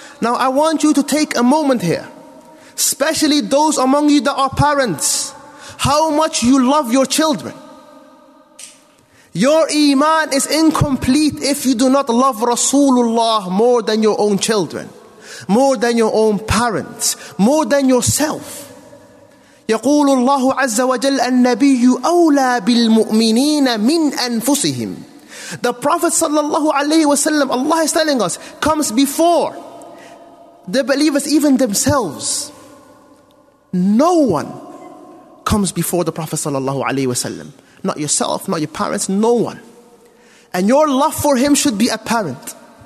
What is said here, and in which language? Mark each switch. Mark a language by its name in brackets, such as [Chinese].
[English] Now I want you to take a moment here, especially those among you that are parents, how much you love your children. Your iman is incomplete if you do not love Rasulullah more than your own children. more than your own parents, more than yourself. [Arabic] يقول الله عز وجل النبي أولى بالمؤمنين من أنفسهم. [English] The Prophet sallallahu alaihi wasallam, Allah is telling us, comes before the believers, even themselves. No one comes before the Prophet sallallahu alaihi wasallam. Not yourself, not your parents, no one. And your love for him should be apparent.